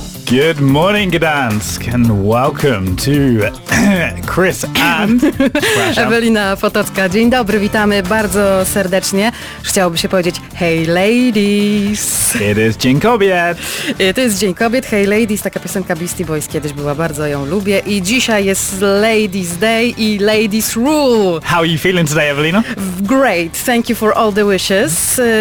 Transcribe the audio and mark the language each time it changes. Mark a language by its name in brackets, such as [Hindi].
[English] Good morning, Gdansk, and welcome to Chris and Ewelina Potocka. [Polish] Dzień dobry, witamy bardzo serdecznie. Chciałoby się powiedzieć, [English] hey ladies. It is Dzień Kobiet. [Polish] To jest Dzień Kobiet, [English] hey ladies, [Polish] taka piosenka Beastie Boys kiedyś była, bardzo ją lubię. I dzisiaj jest Ladies Day i Ladies Rule. [English] How are you feeling today, Ewelina? Great, thank you for all the wishes.